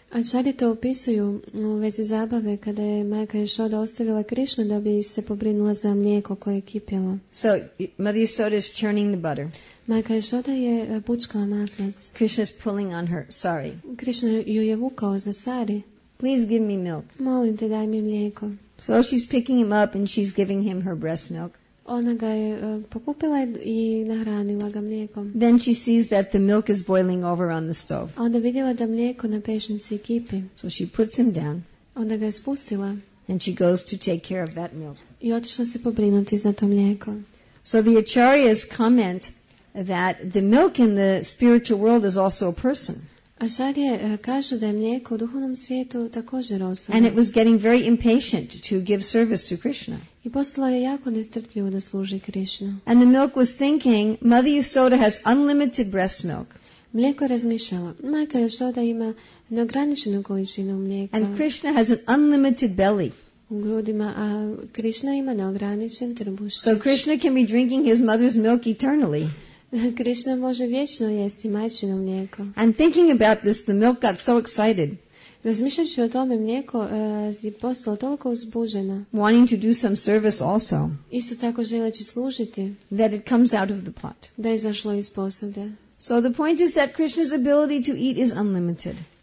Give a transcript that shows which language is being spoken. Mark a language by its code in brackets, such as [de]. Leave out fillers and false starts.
[hr] Acharya to opisuju u vezi zabave kada je majka Yasoda ostavila Krishnu da bi se pobrinula za mlijeko koje je kipjelo. [en] So Mother Yasoda is churning the butter. [hr] Majka Yasoda je bučkala maslac. [en] Krishna is pulling on her sari. [hr] Krishna ju je vukao za sari. [en] Please give me milk. [hr] Molim te, daj mi mlijeko. [en] So she's picking him up and she's giving him her breast milk. [hr] Ona ga je pokupila i nahranila ga mlijekom. [en] Then she sees that the milk is boiling over on the stove. [hr] Onda vidjela da mlijeko na pečnici kipi. [en] So she puts him down. [hr] Onda ga je spustila. [en] And she goes to take care of that milk. [hr] I otišla se pobrinuti za to mlijeko. [en] So the Acharyas comment that the milk in the spiritual world is also a person. [hr] Acharya kažu da je mlijeko u duhovnom svijetu također osoba. [en] And it was getting very impatient to give service to Krishna. [hr] I postalo je jako nestrpljivo da služi Krishna. [en] And the milk was thinking, Mother Yasoda has unlimited breast milk. [hr] Mlijeko je razmišljalo, majka Yasoda ima neograničenu količinu mlijeka. [en] And Krishna has an unlimited belly. [hr] U grudima, a Krishna ima neograničen trbušić. [en] So Krishna can be drinking his mother's milk eternally. [hr] Krishna može vječno jesti majčino mlijeko. [en] And thinking about this, the milk got so excited. [hr] Razmišljajući o tome, mlijeko je postalo toliko uzbuđeno. [en] Wanting to do some service also. [hr] Isto tako želeći služiti. [en] That it comes out of the pot. [hr] Da je izašlo iz posude. [en] So the point is that Krishna's ability to eat is unlimited.